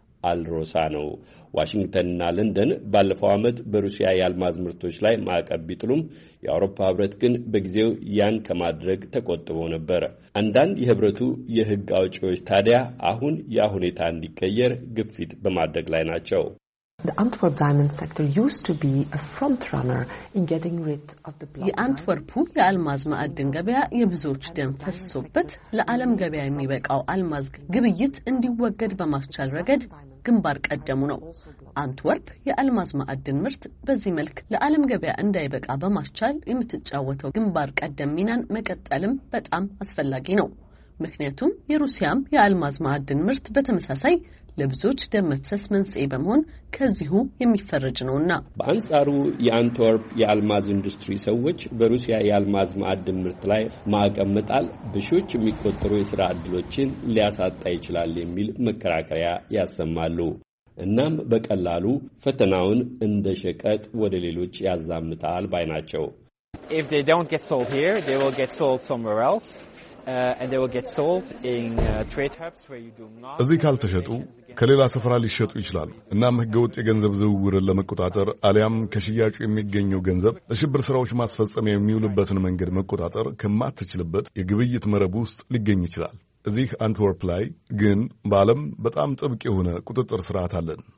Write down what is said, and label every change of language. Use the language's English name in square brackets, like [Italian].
[Amharic] አልሮሳ ነው። ዋሽንግተንና ለንደን ባለፈው ዓመት በሩሲያ የአልማዝ ምርቶች ላይ ማዕቀብ ቢጥሉም የአውሮፓ ህብረት ግን በጊዜው ያን ከማድረግ ተቆጥቦ ነበር። አንዳንድ የህብረቱ የህግ አውጪዎች ታዲያ አሁን ያ ሁኔታ እንዲቀየር ግፊት በማድረግ ላይ ናቸው። [English] The Antwerp diamond sector used to be a front runner in getting rid of the block. [Amharic] የአንትወርፑ የአልማዝ ማዕድን ገበያ የብዙዎች ደም ፈሶበት ለዓለም ገበያ የሚበቃው አልማዝ ግብይት እንዲወገድ በማስቻል ረገድ ግንባር ቀደሙ ነው። አንትወርፕ የአልማዝ ማዕድን ምርት በዚህ መልክ ለዓለም ገበያ እንዳይበቃ በማስቻል የምትጫወተው ግንባር ቀደም ሚናን መቀጠልም በጣም አስፈላጊ ነው። ምክንያቱም የሩሲያም የአልማዝ ማዕድን ምርት በተመሳሳይ ለብዙዎች ደም መፍሰስ መንስኤ በመሆን ከዚሁ የሚፈረጅ ነውና። በአንጻሩ የአንትወርፕ የአልማዝ ኢንዱስትሪ ሰዎች በሩሲያ የአልማዝ ማዕድን ምርት ላይ ማዕቀብ መጣል በሺዎች የሚቆጠሩ የሥራ ዕድሎችን ሊያሳጣ ይችላል የሚል መከራከሪያ ያሰማሉ። እናም በቀላሉ ፈተናውን እንደ ሸቀጥ ወደ ሌሎች ያዛምታል ባይ ናቸው። [English] If they don't get sold here, they will get sold somewhere else. And they will get sold in trade hubs where you do not [Amharic] እዚህ ካልተሸጡ ከሌላ ስፍራ ሊሸጡ ይችላሉ። እናም ህገወጥ የገንዘብ ዝውውርን ለመቆጣጠር አሊያም ከሽያጩ የሚገኘው ገንዘብ ለሽብር ስራዎች ማስፈጸሚያ የሚውልበትን መንገድ መቆጣጠር ከማትችልበት የግብይት መረብ ውስጥ ሊገኝ ይችላል። እዚህ አንትወርፕ ላይ ግን በዓለም በጣም ጥብቅ የሆነ ቁጥጥር ስርዓት አለ።